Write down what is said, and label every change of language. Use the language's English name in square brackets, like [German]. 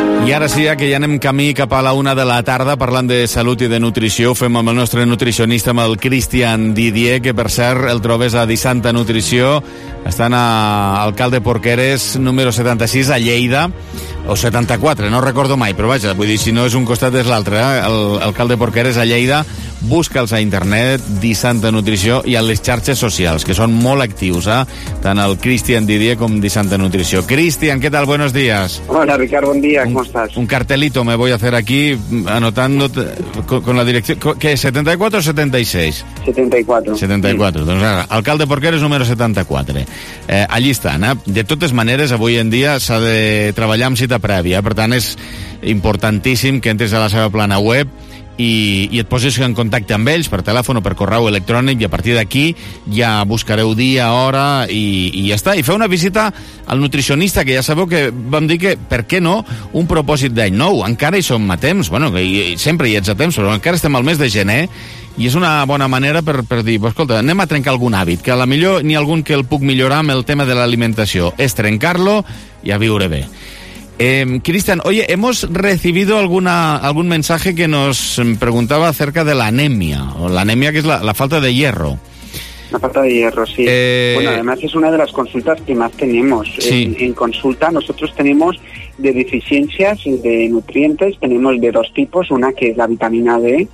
[Catalan] I ara sí, que ja anem camí cap a la una de la tarda parlant de salut i de nutrició, ho fem amb el nostre nutricionista, amb el Cristian Didier, que per cert el trobes a Disanta Nutrició, estan a Alcalde Porqueres número 76 a Lleida, o 74, no recordo mai, però vaja, vull dir, si no és un costat és l'altre, eh? Alcalde Porqueres a Lleida, busca'ls a internet, Disanta Nutrició, i a les xarxes socials, que són molt actius, eh? Tant el Cristian Didier com Disanta Nutrició. Cristian, què tal? [Spanish] Buenos días. [Catalan] Hola, Ricard, bon dia, com estàs? [Spanish] Un cartelito me voy a hacer aquí, anotando-te con la dirección... ¿Qué, 74 o 76? 74. [Catalan] 74, sí. Doncs ara, Alcalde Porqueres número 74. Allí estan, eh? De totes maneres, avui en dia s'ha de treballar amb cita prèvia, per tant, és importantíssim que entres a la seva plana web i et posis en contacte amb ells per telèfon o per correu electrònic i a partir d'aquí ja buscareu dia, hora i ja està. I feu una visita al nutricionista, que ja sabeu que vam dir que, per què no, un propòsit d'any nou. Encara hi som a temps, bueno, sempre hi ets a temps, però encara estem al mes de gener i és una bona manera per dir, escolta, anem a trencar algun hàbit, que a la millor n'hi ha algun que el puc millorar amb el tema de l'alimentació. És trencar-lo i a viure bé. [Spanish] Cristian, oye, hemos recibido algún mensaje que nos preguntaba acerca de la anemia, o la anemia que es la falta de hierro. La falta de hierro, sí. Bueno, además es una de las consultas que más tenemos. Sí. En consulta nosotros tenemos de deficiencias de nutrientes, tenemos de dos tipos, una que es la vitamina D,